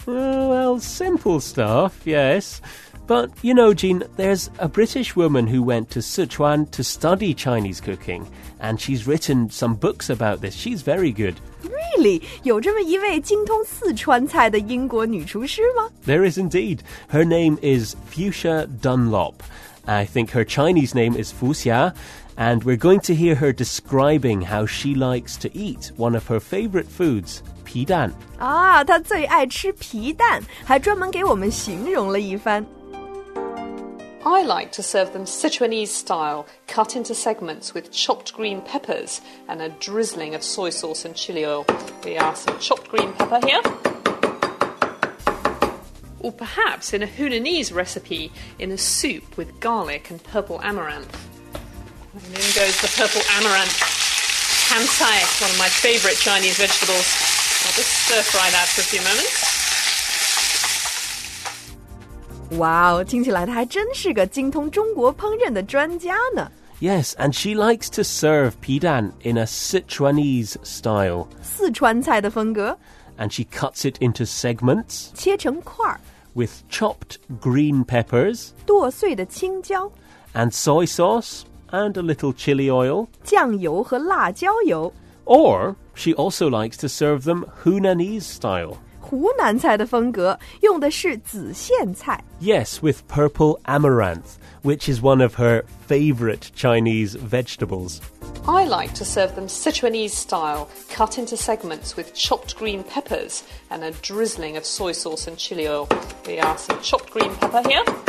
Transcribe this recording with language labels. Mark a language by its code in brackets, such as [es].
[en] Well, simple stuff, yes. But, you know, Jean, there's a British woman who went to Sichuan to study Chinese cooking, and she's written some books about this. She's very good. Really? [zh] 有这么一位精通四川菜的英国女厨师吗? [en] There is indeed. Her name is Fuxia Dunlop. I think her Chinese name is Fuxia, and we're going to hear her describing how she likes to eat one of her favorite foods,皮蛋。 [zh] 啊，她最爱吃皮蛋，还专门给我们形容了一番。 [en] I like to serve them Sichuanese style, cut into segments with chopped green peppers and a drizzling of soy sauce and chili oil. We are some chopped green pepper here. Or perhaps in a Hunanese recipe, in a soup with garlic and purple amaranth. And in goes the purple amaranth. Han Sai, one of my favourite Chinese vegetables. I'll just stir-fry that for a few moments. [zh] Wow, 听起来她还真是个精通中国烹饪的专家呢。 [en] Yes, and she likes to serve 皮蛋 in a Sichuanese style. [zh] 四川菜的风格。 [en] And she cuts it into segments. [zh] 切成块。 [en] With chopped green peppers. [zh] 剁碎的青椒。 [en] And soy sauce, and a little chili oil. [zh] 酱油和辣椒油。 [en] Or, she also likes to serve them Hunanese style. [zh] 湖南菜的风格用的是紫苋菜。 [en] Yes, with purple amaranth, which is one of her favorite Chinese vegetables. I like to serve them Sichuanese style, cut into segments with chopped green peppers and a drizzling of soy sauce and chili oil. We are some chopped green pepper here.